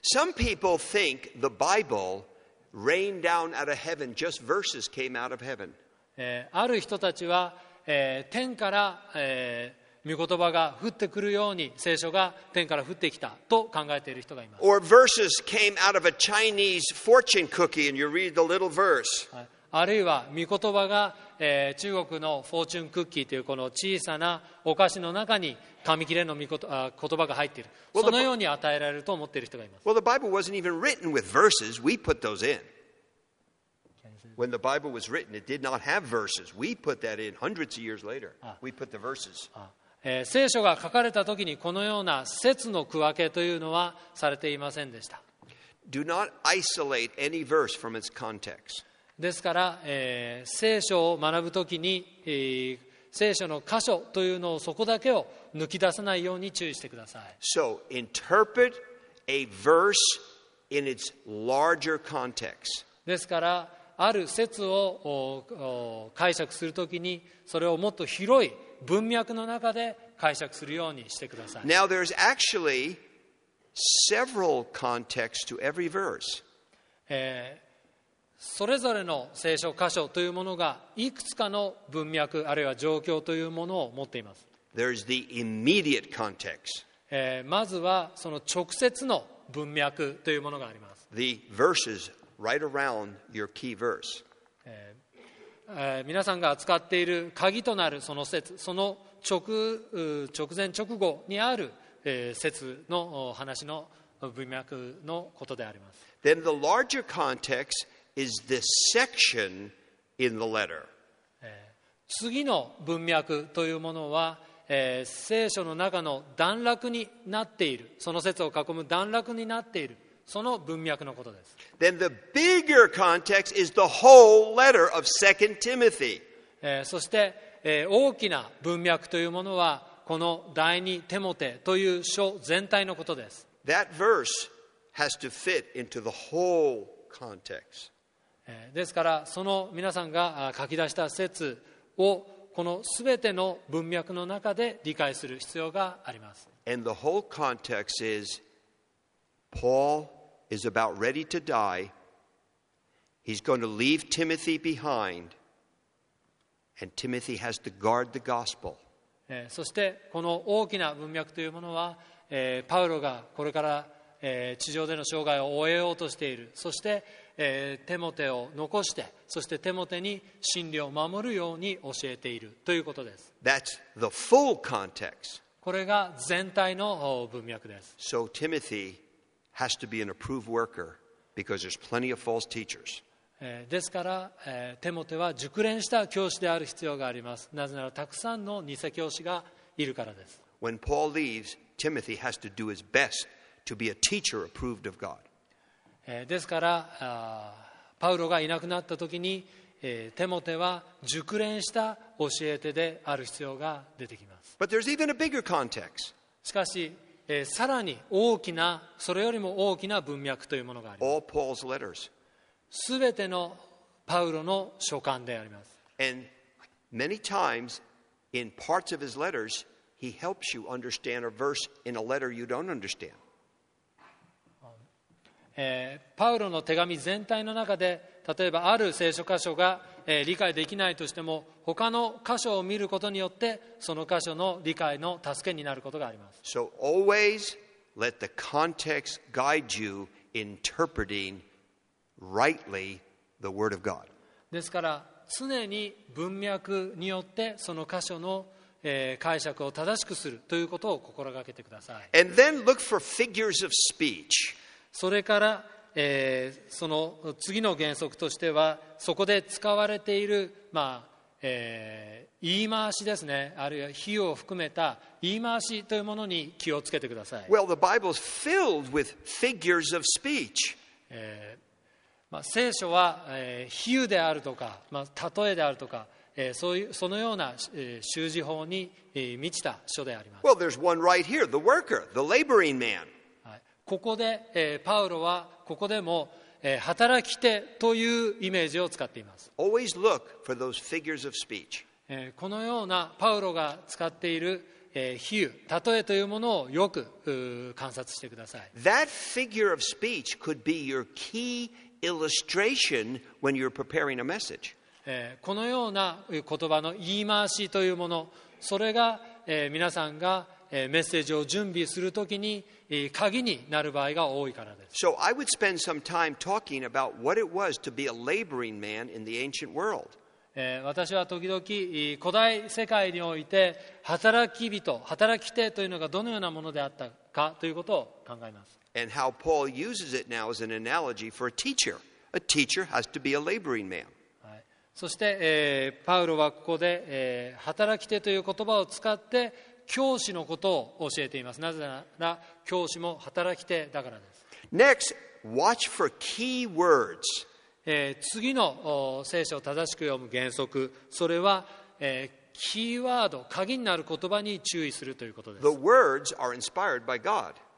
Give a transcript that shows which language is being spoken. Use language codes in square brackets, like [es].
[en] Some people think the Bible rained down out of heaven, just verses came out of heaven. [ja] ある人たちは、天から、御言葉が降ってくるように聖書が天から降ってきたと考えている人がいます。 [en] Or verses came out of a Chinese fortune cookie and you read the little verse. [ja] あるいは御言葉が、中国のフォーチュンクッキーというこの小さなお菓子の中に紙切れの言葉が入っている。そのように与えられると思っている人がいます。 [en] Well, the Bible wasn't even written with verses. We put those in. When the Bible was written, it did not have verses. We put that in hundreds of years later. We put the verses. [ja] 聖書が書かれた時にこのような節の区分けというのはされていませんでした。 [en] Do not isolate any verse from its context. [ja] ですから、聖書を学ぶ時に、聖書の箇所というのをそこだけを抜き出さないように注意してください。 [en] So, interpret a verse in its larger context. [ja] ですから、ある節を解釈するときに、それをもっと広い文脈の中で解釈するようにしてください。 [en] Now, there's actually several contexts to every verse. [ja] それぞれの聖書箇所というものがいくつかの文脈あるいは状況というものを持っています。 [en] There's the immediate context. [ja] まずはその直接の文脈というものがあります。 [en] The verses right around your key verse. [ja] 皆さんが扱っている鍵となるその節、その直前直後にある節の話の文脈のことであります。 [en] Then the larger contextis the section in the letter. [ja] 次の文脈というものは、聖書の中の段落になっている、その節を囲む段落になっている、その文脈のことです。 [en] Then the bigger context is the whole letter of 2 Timothy. [ja] そして、大きな文脈というものは、この第二テモテという書全体のことです。 [en] That verse has to fit into the whole context. [ja] ですからその皆さんが書き出した節をこのすべての文脈の中で理解する必要があります。 [en] And the whole context is Paul is about ready to die. He's going to leave Timothy behind. And Timothy has to guard the gospel. [ja] そしてこの大きな文脈というものは、パウロがこれから、地上での生涯を終えようとしている、そしてテモテを残して、そしてテモテに真理を守るように教えているということです。 [en] That's the full context. [ja] これが全体の文脈です。 [en] So Timothy has to be an approved worker because there's plenty of false teachers. [ja] ですから、テモテは熟練した教師である必要があります。なぜならたくさんの偽教師がいるからです。 [en] When Paul leaves, Timothy has to do his best to be a teacher approved of God. [ja] ですからパウロがいなくなったときにテモテは熟練した教え手である必要が出てきます。 [en] But there's even a bigger context. [ja] しかしさらに大きな、それよりも大きな文脈というものがあります。 [en] All Paul's letters. [ja] すべてのパウロの書簡であります。 [en] And many times in parts of his letters he helps you understand a verse in a letter you don't understand. [ja] パウロの手紙全体の中で例えばある聖書箇所が、理解できないとしても他の箇所を見ることによってその箇所の理解の助けになることがあります。 [en] So always let the context guide you interpreting rightly the word of God. [ja] ですから常に文脈によってその箇所の、解釈を正しくするということを心がけてください。 [en] And then look for figures of speech. [ja] それから、その次の原則としてはそこで使われている、言い回しですね、あるいは比喩を含めた言い回しというものに気をつけてください。 [en] Well, the Bible is filled with figures of speech. [ja] 聖書は、比喩であるとか、例えであるとか、そういうそのような、習字法に、満ちた書であります。 [en] Well, there's one right here, the worker, the laboring man. [ja] ここで、パウロはここでも、働き手というイメージを使っています。 [en] Always look for those figures of speech. [ja] このようなパウロが使っている、比喩、例えというものをよく観察してください。 [en] That figure of speech could be your key illustration when you're preparing a message. [ja] このような言葉の言い回しというもの、それが皆さんがメッセージを準備するときに鍵になる場合が多いからです。 [en] So I would spend some time talking about what it was to be a laboring man in the ancient world. [ja] 私は時々古代世界において働き人、働き手というのがどのようなものであったかということを考えます。 [en] And how Paul uses it now as an analogy for a teacher. A teacher has to be a laboring man. [ja] そしてパウロはここで働き手という言葉を使って教師のことを教えています。なぜなら教師も働き手だからです。 [en] Next, watch for key words. [ja] 次の聖書を正しく読む原則、それは、キーワード、鍵になる言葉に注意するということです。 [en] The words are inspired by God.